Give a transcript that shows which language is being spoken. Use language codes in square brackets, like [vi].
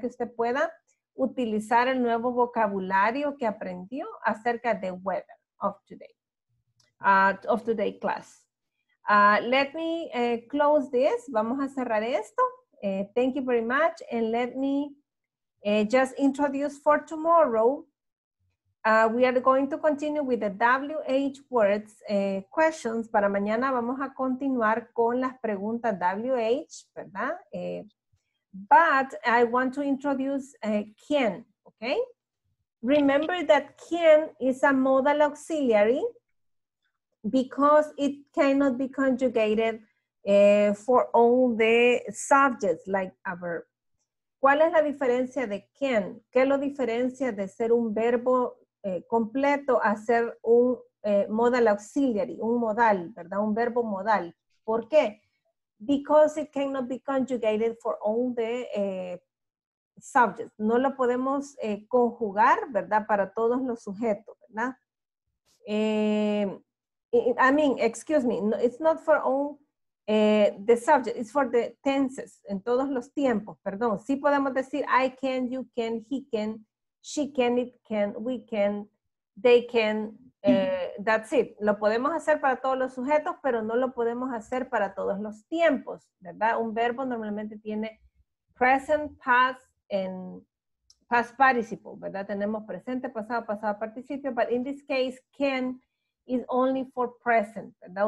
[es] Que usted pueda utilizar el nuevo vocabulario que aprendió acerca de [en] weather of today, of today class. Let me close this. [es] Vamos a cerrar esto. [en] Thank you very much, and let me just introduce for tomorrow. We are going to continue with the WH words questions. [es] Para mañana vamos a continuar con las preguntas WH, ¿verdad? [en] But I want to introduce quién, okay? Remember that quién is a modal auxiliary because it cannot be conjugated for all the subjects, like a verb. [es] ¿Cuál es la diferencia de quién? ¿Qué lo diferencia de ser un verbo completo hacer un modal auxiliary, un modal, ¿verdad? Un verbo modal. ¿Por qué? [en] Because it cannot be conjugated for all the subjects. [es] No lo podemos conjugar, ¿verdad? Para todos los sujetos, ¿verdad? [en] I mean, excuse me, no, it's not for all the subject, it's for the tenses, [es] en todos los tiempos, perdón. Sí podemos decir [en] I can, you can, he can, she can, it can, we can, they can, that's it. [es] Lo podemos hacer para todos los sujetos, pero no lo podemos hacer para todos los tiempos, ¿verdad? Un verbo normalmente tiene present, past, and past participle, ¿verdad? Tenemos presente, pasado, pasado, participio, [en] but in this case, can is only for present, [es] ¿verdad?